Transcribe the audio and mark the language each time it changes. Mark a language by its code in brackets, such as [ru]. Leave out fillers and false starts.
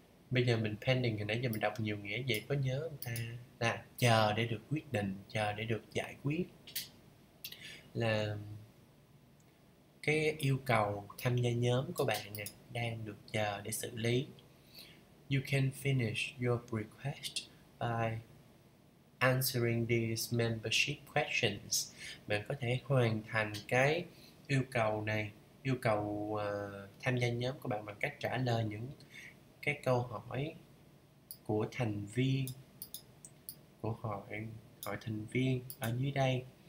[vi] Bây giờ mình pending, hồi nãy giờ mình đọc nhiều nghĩa vậy có nhớ không ta? Là chờ để được quyết định, chờ để được giải quyết. Là cái yêu cầu tham gia nhóm của bạn nè, đang được chờ để xử lý. [en] You can finish your request by answering these membership questions. [vi] Bạn có thể hoàn thành cái yêu cầu này, yêu cầu tham gia nhóm của bạn bằng cách trả lời những cái câu hỏi của thành viên, của hội hội thành viên ở dưới đây.